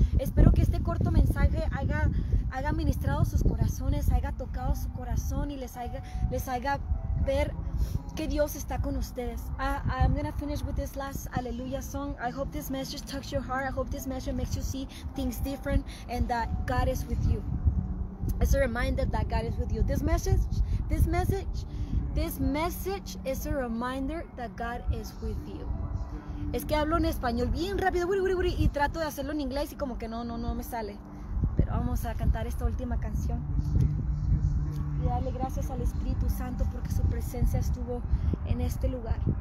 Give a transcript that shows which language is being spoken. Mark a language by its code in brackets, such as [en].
[es] Espero que este corto mensaje haya ministrado sus corazones, haya tocado su corazón y les haya ver que Dios está con ustedes. [en] I'm gonna finish with this last aleluya song. I hope this message touches your heart. I hope this message makes you see things different and that God is with you. It's a reminder that God is with you. This message This message is a reminder that God is with you. [es] Es que hablo en español bien rápido, y trato de hacerlo en inglés y como que no me sale. Pero vamos a cantar esta última canción. Y darle gracias al Espíritu Santo porque su presencia estuvo en este lugar.